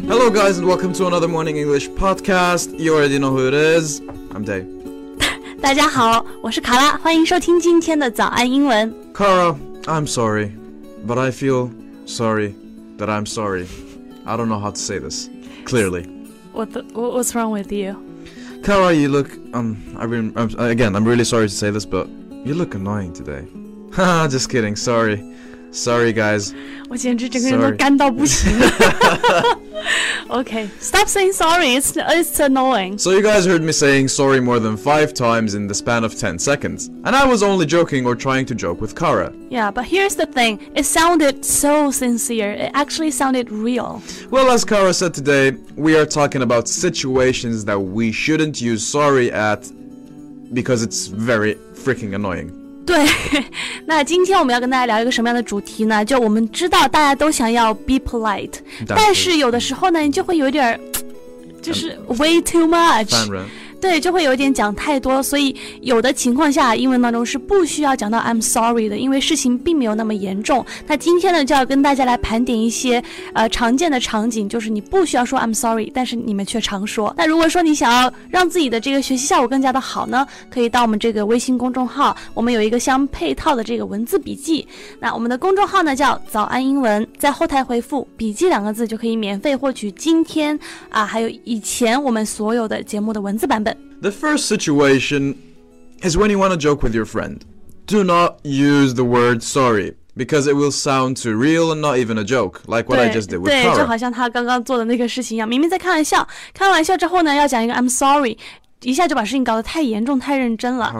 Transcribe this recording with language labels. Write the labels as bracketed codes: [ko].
[en] guys, and welcome to another Morning English podcast. You already know who it is. I'm Dave. [zh] 大家好，我是卡拉，欢迎收听今天的早安英文。 [en] Cara, I'm sorry, but I feel sorry that I'm sorry. I don't know how to say this clearly. What's wrong with you, Cara? You look I'm really sorry to say this, but you look annoying today. Just kidding. Sorry. Sorry, guys. [zh] 我简直整个人都干到不行了。 [en] Okay, stop saying sorry. It's annoying. So you guys heard me saying sorry more than 5 times in the span of 10 seconds. And I was only joking or trying to joke with Kara. Yeah, but here's the thing. It sounded so sincere. It actually sounded real. Well, as Kara said today, we are talking about situations that we shouldn't use sorry at because it's very freaking annoying. [zh] 对，那今天我们要跟大家聊一个什么样的主题呢？就我们知道大家都想要 [en] be polite， [zh] 但是有的时候呢，你就会有点就是 [en] way too much， [zh] 对，就会有点讲太多，所以有的情况下英文当中是不需要讲到 [en] I'm sorry [zh] 的，因为事情并没有那么严重。那今天呢，就要跟大家来盘点一些常见的场景，就是你不需要说 [en] I'm sorry， [zh] 但是你们却常说。那如果说你想要让自己的这个学习效果更加的好呢，可以到我们这个微信公众号，我们有一个相配套的这个文字笔记。那我们的公众号呢叫早安英文，在后台回复笔记两个字就可以免费获取今天啊，还有以前我们所有的节目的文字版本。 [en] The first situation is when you want to joke with your friend. Do not use the word sorry, because it will sound too real and not even a joke, like what I just did with Kara. [zh] 对，就好像他刚刚做的那个事情一样，明明在开玩笑，开玩笑之后呢，要讲一个 [en] I'm sorry, [zh] 一下就把事情搞得太严重，太认真了。